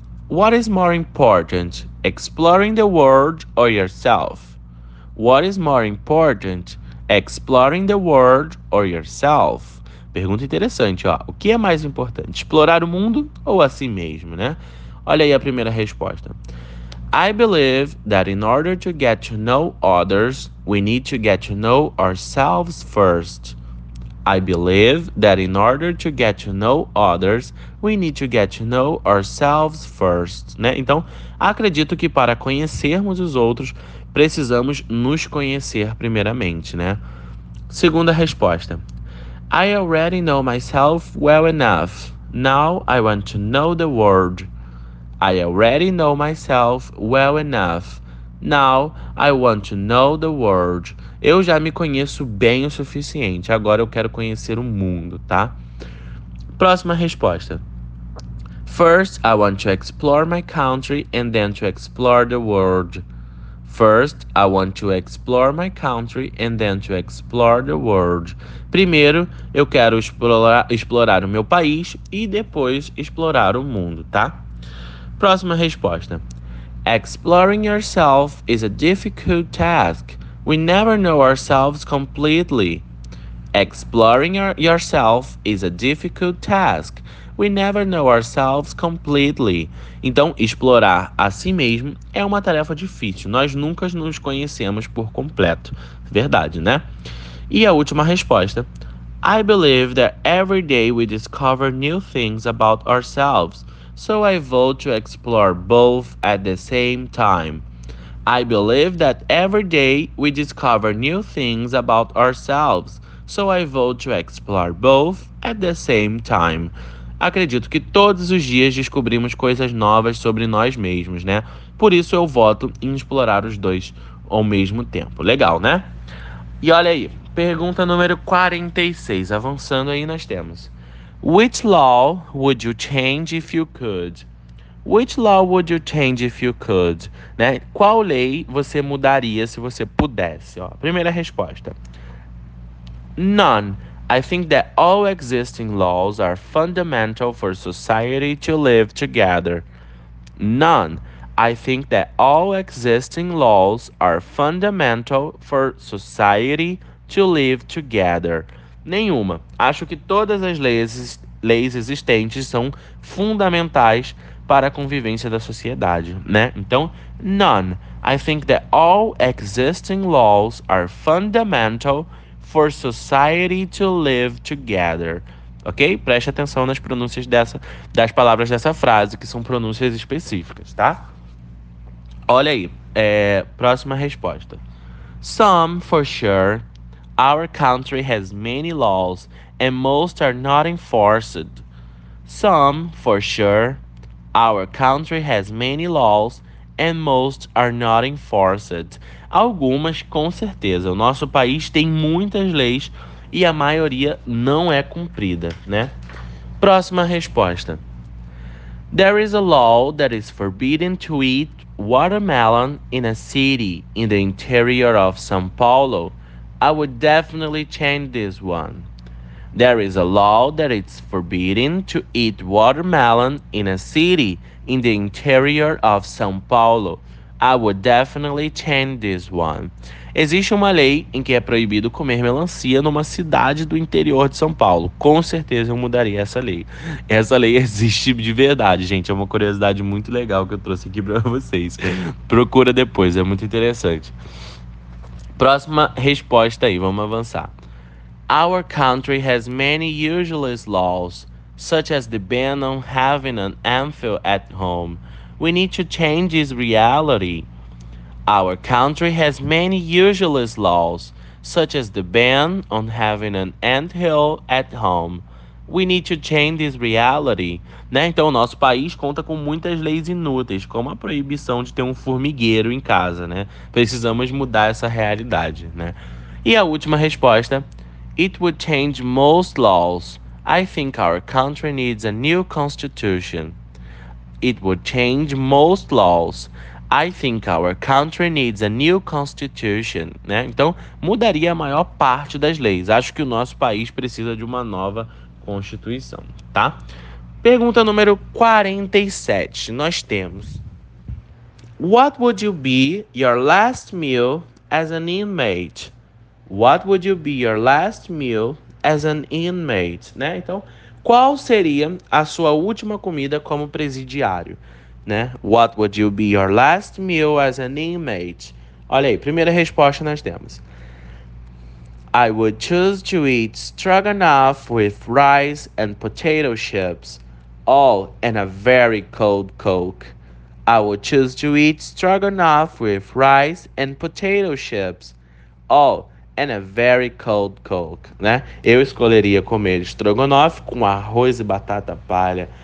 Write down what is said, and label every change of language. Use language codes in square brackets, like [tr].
[en] What is more important, exploring the world or yourself? What is more important, exploring the world or yourself? [pt] Pergunta interessante, ó. O que é mais importante, explorar o mundo ou a si mesmo, né? Olha aí a primeira resposta. [en] I believe that in order to get to know others, we need to get to know ourselves first. I believe that in order to get to know others, we need to get to know ourselves first. [pt] Né? Então, acredito que para conhecermos os outros, precisamos nos conhecer primeiramente, né? Segunda resposta. [en] I already know myself well enough. Now I want to know the world. I already know myself well enough. Now I want to know the world. [pt] Eu já me conheço bem o suficiente. Agora eu quero conhecer o mundo, tá? Próxima resposta. [en] First, I want to explore my country and then to explore the world. First, I want to explore my country and then to explore the world. [pt] Primeiro, eu quero explorar o meu país e depois explorar o mundo, tá? Próxima resposta. [en] Exploring yourself is a difficult task. We never know ourselves completely. Exploring yourself is a difficult task. We never know ourselves completely. [pt] Então, explorar a si mesmo é uma tarefa difícil. Nós nunca nos conhecemos por completo. Verdade, né? E a última resposta. [en] I believe that every day we discover new things about ourselves, so I vote to explore both at the same time. I believe that every day we discover new things about ourselves, so I vote to explore both at the same time. [pt] Acredito que todos os dias descobrimos coisas novas sobre nós mesmos, né? Por isso eu voto em explorar os dois ao mesmo tempo. Legal, né? E olha aí, pergunta número 46. Avançando aí, nós temos: [en] Which law would you change if you could? Which law would you change if you could? [pt] Né? Qual lei você mudaria se você pudesse? Ó, primeira resposta: [en] None. I think that all existing laws are fundamental for society to live together. None. I think that all existing laws are fundamental for society to live together. [pt] Nenhuma. Acho que todas as leis existentes são fundamentais para a convivência da sociedade, né? Então, [en] none. I think that all existing laws are fundamental for society to live together. [pt] Ok? Preste atenção nas pronúncias das palavras dessa frase, que são pronúncias específicas, tá? Olha aí, próxima resposta. [en] Some, for sure, our country has many laws and most are not enforced. Some, for sure, our country has many laws and most are not enforced. [pt] Algumas, com certeza. O nosso país tem muitas leis e a maioria não é cumprida, né? Próxima resposta. [en] There is a law that is forbidden to eat watermelon in a city in the interior of São Paulo. I would definitely change this one. There is a law that it's forbidden to eat watermelon in a city in the interior of São Paulo. I would definitely change this one. [pt] Existe uma lei em que é proibido comer melancia numa cidade do interior de São Paulo. Com certeza eu mudaria essa lei. Essa lei existe de verdade, gente. É uma curiosidade muito legal que eu trouxe aqui para vocês. Procura depois, é muito interessante. Próxima resposta aí, vamos avançar. [en] Our country has many useless laws, such as the ban on having an anvil at home. We need to change this reality. Our country has many useless laws, such as the ban on having an anthill at home. We need to change this reality. [pt] Né? Então, o nosso país conta com muitas leis inúteis, como a proibição de ter um formigueiro em casa. Né? Precisamos mudar essa realidade. Né? E a última resposta. [en] It would change most laws. I think our country needs a new constitution. It would change most laws. I think our country needs a new constitution. [pt] Né? Então, mudaria a maior parte das leis. Acho que o nosso país precisa de uma nova constituição, tá? Pergunta número 47. Nós temos: [en] What would you be your last meal as an inmate? What would you be your last meal as an inmate? [pt] Né? Então, qual seria a sua última comida como presidiário? Né? [en] What would you be your last meal as an inmate? [pt] Olha aí, primeira resposta nós temos. [en] I would choose to eat stroganoff with rice and potato chips, all in a very cold Coke. I would choose to eat stroganoff with rice and potato chips, all and a very cold Coke, [pt] né? Eu escolheria comer estrogonofe com arroz e batata palha.